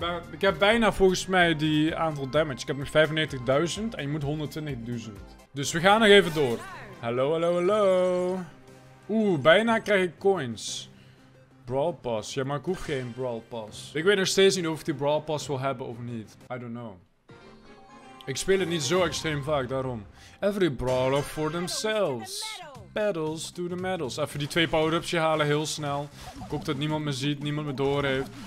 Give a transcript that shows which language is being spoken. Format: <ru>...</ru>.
<nl>Ik heb bijna volgens mij die aantal damage. Ik heb nu 95.000 en je moet 120.000. Dus we gaan nog even door. Hallo. Oeh, bijna krijg ik coins. Brawl Pass. Ja, maar ik hoef geen Brawl Pass. Ik weet nog steeds niet of ik die Brawl Pass wil hebben of niet.</nl> <en>I don't know.</en> <nl>Ik speel het niet zo extreem vaak, daarom.</nl> <en>Every brawler for themselves. Battles to the medals.</en> <nl>Even die 2 power-ups halen, heel snel. Ik hoop dat niemand me ziet, niemand me doorheeft.</nl>